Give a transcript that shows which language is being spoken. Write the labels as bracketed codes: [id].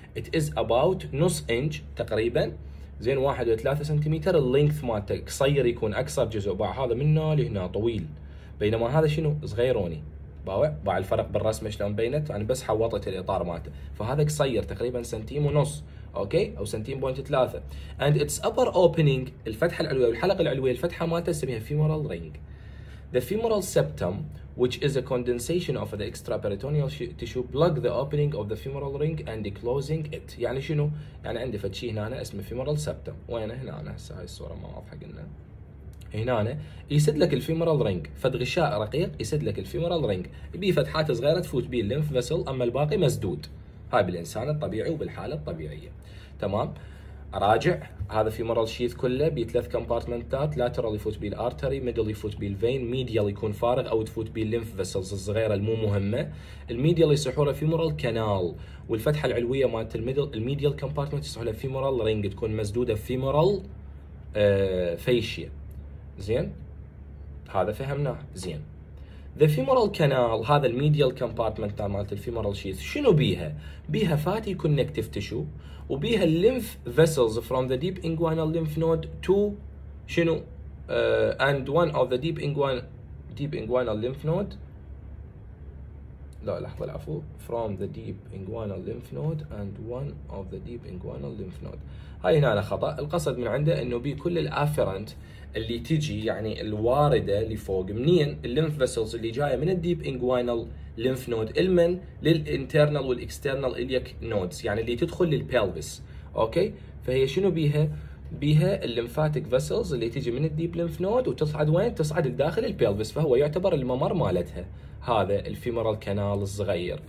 [en] It is about [ar] نص انش تقريبا، زين 1.3 سنتيمتر اللينث مالته، قصير يكون اكثر جزء باع هذا منه لهنا طويل، بينما هذا شنو؟ صغيروني باوع باع. الفرق بالرسمه شلون بينت؟ انا بس حوطت الاطار مالته، فهذا قصير تقريبا سنتيم ونص. اوكي، او سنتيم بوينت 3. [en] And its upper opening، [ar] الفتحه العلويه والحلقه العلويه الفتحه مالته اسمها femoral ring. [en] The femoral septum, which is a condensation of the extraperitoneal tissue, plug the opening of the femoral ring and closing it. [ar] يعني شنو؟ يعني عندي فتشي هنا اسمه femoral septum. وين هنا؟ هسه هاي الصورة ما واضحة قلنا. هنا يسد لك الفيمورال رينج، فد غشاء رقيق يسد لك الفيمورال رينج، بيه فتحات صغيرة تفوت بيه الليمف فيسل، أما الباقي مسدود. هاي بالإنسان الطبيعي وبالحالة الطبيعية. تمام؟ راجع، هذا فيمورال شيث كله بثلاث كومبارتمنتات، لاترال يفوت به الارتري، ميدل يفوت به الفين، ميديال يكون فارغ او تفوت به الليمف فيسلز الصغيره المو مهمه، الميديال يسحوا له فيمورال كانال، والفتحه العلويه مالت الميدل الميديال كومبارتمنت يسحوا له فيمورال رينج، تكون مسدوده فيمورال فيشيا. زين، هذا فهمناه. زين، ذا فيمورال كانال هذا الميديال كومبارتمنت مالت الفيمورال شيث، شنو بيها؟ بيها فاتي كونكتيف تيشو، وبيها الليمف فيسلز [en] from the deep inguinal lymph node [ar] تو شنو؟ [en] and one of the deep inguinal lymph node [ar] لا لحظة العفو [en] from the deep inguinal lymph node and one of the deep inguinal lymph node. [ar] هاي هنا أنا خطأ، القصد من عنده أنه بي كل الافرنت اللي تجي يعني الواردة لفوق منين الليمف فيسلز اللي جاية من الديب انجوينال ليمف نود المن للإنترنال والإكسترنال إليك نودز يعني اللي تدخل للبيلبس. أوكي فهي شنو بيها؟ بيها الليمفاتيك فيسلز اللي تجي من الديب ليمف نود وتصعد وين؟ تصعد لداخل البيلبس، فهو يعتبر الممر مالتها هذا الفيمورال كانال الصغير.